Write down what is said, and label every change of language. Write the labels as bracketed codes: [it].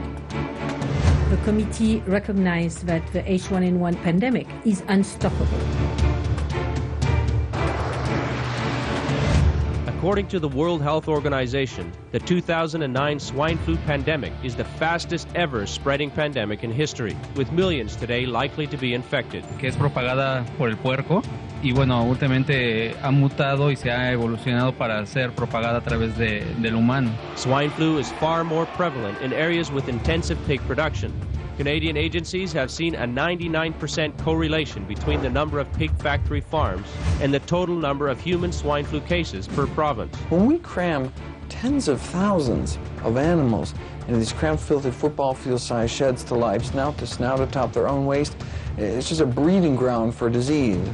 [en] The committee recognized that the H1N1 pandemic is unstoppable. According to the World Health Organization, the 2009 swine flu pandemic is the fastest ever spreading pandemic in history, with millions today likely to be infected. [es] Que es propagada por el puerco, y bueno, últimamente ha mutado y se ha evolucionado para ser propagada a través del humano. [en] Swine flu is far more prevalent in areas with intensive pig production. Canadian agencies have seen a 99% correlation between the number of pig factory farms and the total number of human swine flu cases per province. When we cram tens of thousands of animals into these cramped, filthy football field-sized sheds to live snout to snout atop their own waste, it's just a breeding ground for disease.